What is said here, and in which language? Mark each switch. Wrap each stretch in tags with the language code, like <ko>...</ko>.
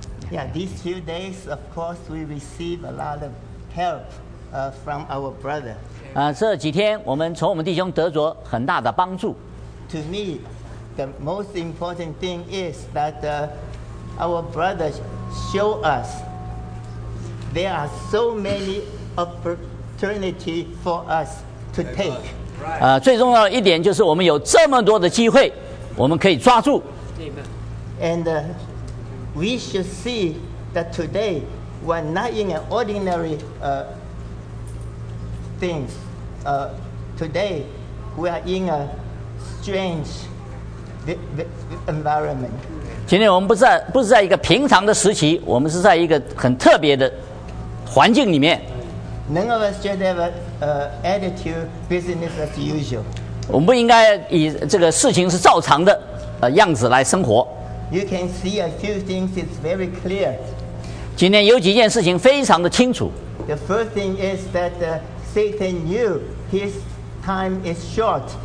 <en>Yeah, these few days, of course, we receive a lot of help from our brother.</en> <zh>这几天我们从我们弟兄得着很大的帮助。</zh> <en>To me, the most important thing is that our brother show us there are so many opportunity for us.</en> <zh>最重要的一点就是我们有这么多的机会，我们可以抓住。</zh> <en>And we should see that today we're not in an ordinary things. Today we are in a strange environment.</en> <zh>今天我们不是在一个平常的时期，我们是在一个很特别的环境里面。</zh> <en>None of us should have attitude business as usual.</en> <zh>我们不应该以这个事情是照常的样子来生活。</zh> <en>You can see a few things is very clear.</en> <zh>今天有几件事情非常的清楚。</zh> <en>The first thing is that Satan knew his time is short.</en>